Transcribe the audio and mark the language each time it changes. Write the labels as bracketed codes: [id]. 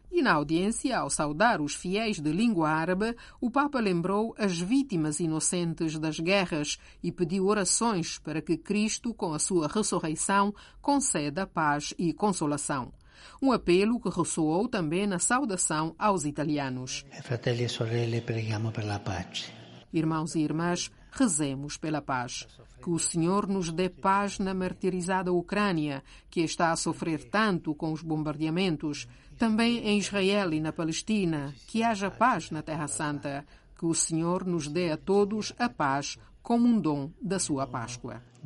[pt] E na audiência, ao saudar os fiéis de língua árabe, o Papa lembrou as vítimas inocentes das guerras e pediu orações para que Cristo, com a sua ressurreição, conceda paz e consolação. Um apelo que ressoou também na saudação aos italianos. [it] Fratelli e sorelle, preghiamo per la pace. [pt] Irmãos e irmãs, rezemos pela paz. Que o Senhor nos dê paz na martirizada Ucrânia, que está a sofrer tanto com os bombardeamentos. Também em Israel e na Palestina, que haja paz na Terra Santa. Que o Senhor nos dê a todos a paz como um dom da sua Páscoa.